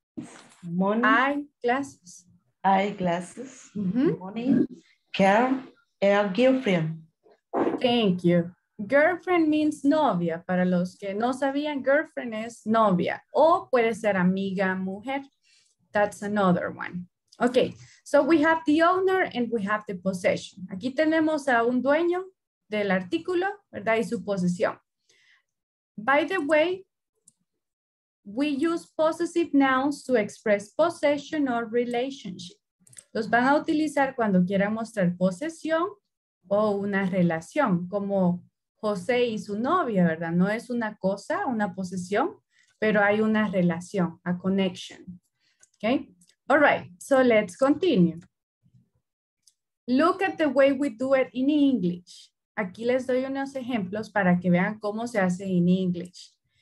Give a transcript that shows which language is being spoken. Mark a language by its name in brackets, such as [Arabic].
[English] Mm-hmm. Money. Eyeglasses. Eyeglasses. Mm-hmm. Money. Care. And girlfriend. Thank you. Girlfriend means novia. [Spanish] Para los que no sabían, girlfriend es novia. O puede ser amiga, mujer. [English] That's another one. Okay, so we have the owner and we have the possession. [Spanish] Aquí tenemos a un dueño del artículo, ¿verdad? Y su posesión. [English] By the way, we use possessive nouns to express possession or relationship. [Spanish] Los van a utilizar cuando quieran mostrar posesión o una relación, como José y su novia, ¿verdad? No es una cosa, una posesión, pero hay una relación, [English] a connection. Okay. All right, so let's continue. Look at the way we do it in English. [Spanish] Aquí les doy unos ejemplos para que vean cómo se hace [English] in English.